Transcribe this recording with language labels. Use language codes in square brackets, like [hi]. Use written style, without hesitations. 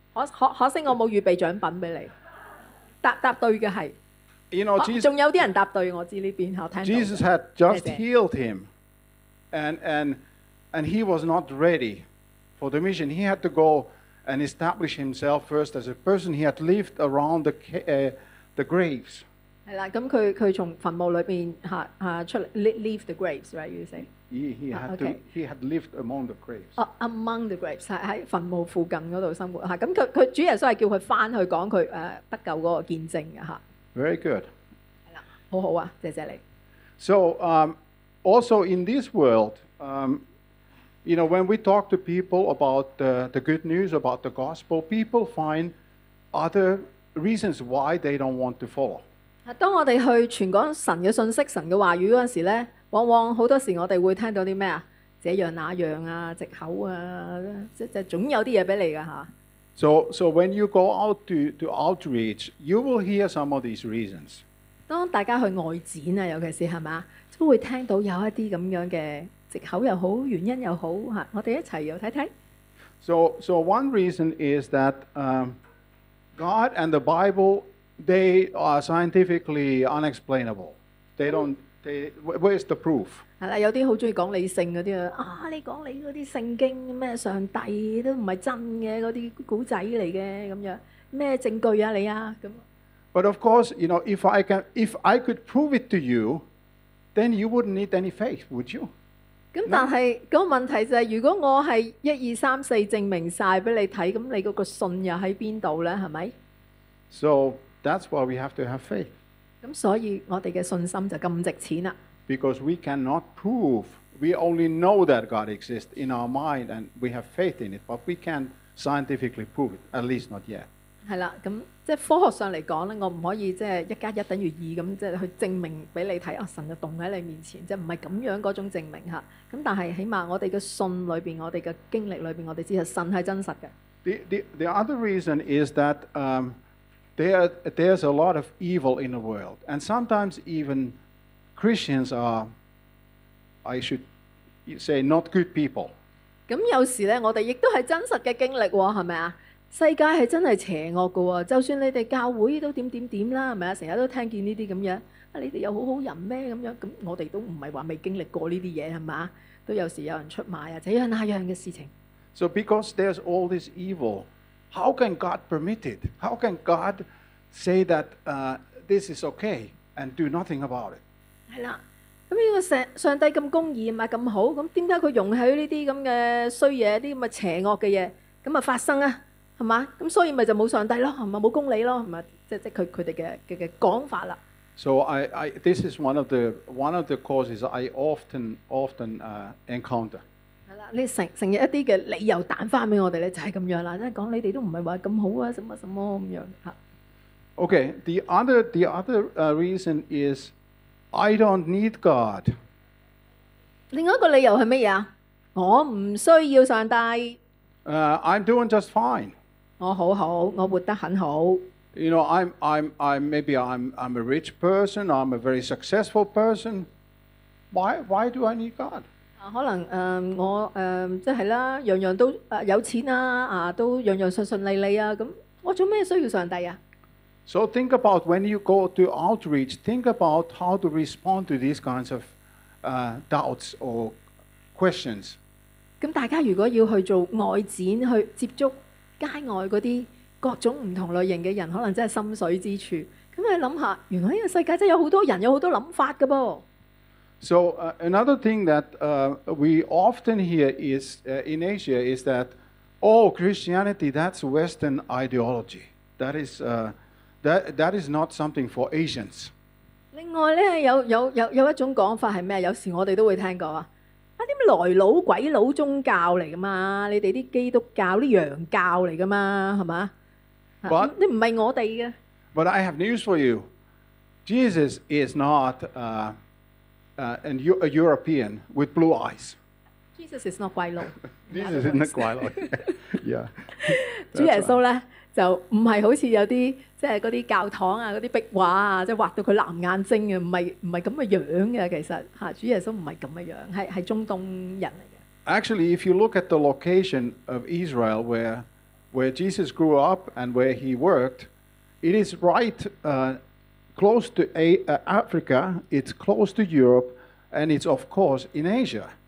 [yue] 可惜我冇預備獎品俾你。答對嘅係。 [en] You know, Jesus. [yue] 仲有啲人答對，我知呢邊嚇，我聽到。 [en] Jesus had just healed him, and he was not ready for the mission. He had to go and establish himself first as a person. He had lived around the graves. [yue] 系啦，咁佢从坟墓里边吓出嚟 ， [en] leave the graves， right？ You say he had lived among the graves。 Among the graves [yue] 系喺坟墓附近嗰度生活吓，咁佢主耶稣系叫佢翻去讲佢得救嗰个见证嘅吓。 [en] Very good。 [yue] 系啦，好好啊，谢你。 [en] So also in this world, you know, when we talk to people about the good news about the gospel, people find other reasons why they don't want to follow. [yue] 当我哋去传讲神嘅信息、神嘅话语嗰阵时咧，往往好多时我哋会听到啲咩啊？这样那样啊，藉口啊，即总有啲嘢俾你噶吓。 [en] So when you go out to outreach, you will hear some of these reasons. [yue] 当大家去外展啊，尤其是系嘛，都会听到有一啲咁样嘅藉口又好，原因又好吓，我哋一齐又睇睇。 [en] So one reason is that God and the Bible. They are scientifically unexplainable. They don't. They. Where's the proof? [yue] 系啦，有啲好中意讲理性嗰啲啊，你讲你嗰啲圣经咩上帝都唔系真嘅嗰啲古仔嚟嘅咁样，咩证据啊你啊咁。 [en] But of course, you know, if I could prove it to you, then you wouldn't need any faith, would you? [yue] 咁但系嗰个问题就系，如果我系一二三四证明晒俾你睇，咁你嗰个信又喺边度咧？系咪 [en] ？So. That's why we have to have faith. [yue] 咁所以我哋嘅信心就咁值钱啦。 [en] Because we cannot prove, we only know that God exists in our mind, and we have faith in it, but we can't scientifically proved, at least not yet. [yue] 係啦，咁即係科學上嚟講咧，我唔可以即係一加一等於二咁，即係去證明俾你睇啊，神就動喺你面前，即係唔係咁樣嗰種證明嚇。咁但係起碼我哋嘅信裏邊，我哋嘅經歷裏邊，我哋知道神係真實嘅。 [en] The other reason is that there's a lot of evil in the world, and sometimes even Christians are, I should say, not good people. [yue] 咁有時咧，我哋亦都係真實嘅經歷喎，係咪啊？世界係真係邪惡嘅喎，就算你哋教會都點點點啦，係咪啊？成日都聽見呢啲咁樣，啊你哋又好好人咩咁樣？咁我哋都唔係話未經歷過呢啲嘢係嘛？都有時有人出賣啊，這樣那樣嘅事情。 [en] So because there's all this evil, how can God permit it? How can God say that this is okay and do nothing about it? [yue] 係啦，咁呢個上帝咁公義唔係咁好，咁點解佢容許呢啲咁嘅衰嘢、啲咁嘅邪惡嘅嘢咁啊發生啊？係嘛？咁所以咪就冇上帝咯，係咪冇公理咯？係咪？即佢哋嘅講法啦。 [en] So I this is one of the causes I often encounter。 [yue] 係啦，你成日一啲嘅理由彈翻俾我哋咧，就係咁樣啦，即係講你哋都唔係話咁好啊，什麼什麼咁樣嚇。 [en] Okay, the other reason is I don't need God。 [yue] 另外一個理由係乜嘢啊？我唔需要上帝。 [en] I'm doing just fine。 [yue] 我好好，我活得很好。 [en] You know, I'm a rich person. I'm a very successful person. Why do I need God? [yue] 可能我即係啦，樣樣都有錢啊，都樣樣順順利利啊。咁我做咩需要上帝啊 [en] ？So think about when you go to outreach. Think about how to respond to these kinds of doubts or questions. [yue] 咁大家如果要去做外展，去接觸。街外嗰啲各種唔同類型嘅人，可能真係心水之處。咁你諗下，原來呢個世界真係有好多人，有好多諗法嘅噃。 [en] So another thing that we often hear is in Asia is that all Christianity that's Western ideology. That is not something for Asians. [yue] 另外咧，有一種講法係咩？有時我哋都會聽過啊。啊！啲來佬鬼佬宗教嚟噶嘛？你哋啲基督教、啲洋教嚟噶嘛？係嘛？你唔係我哋嘅。 [en] But I have news for you. Jesus is not a European with blue eyes. Jesus is not 鬼佬。 Jesus is not 鬼佬。Yeah. [yue] 主耶穌咧就唔係好似有啲即係嗰啲教堂啊、嗰啲壁畫啊，即係畫到佢藍眼睛嘅，唔係咁嘅樣嘅。其實嚇，主耶穌唔係咁嘅樣，係中東人嚟嘅。 [en] Actually, if you look at the location of Israel where Jesus grew up and where he worked, it is right close to Africa. It's close to Europe, and it's of course in Asia.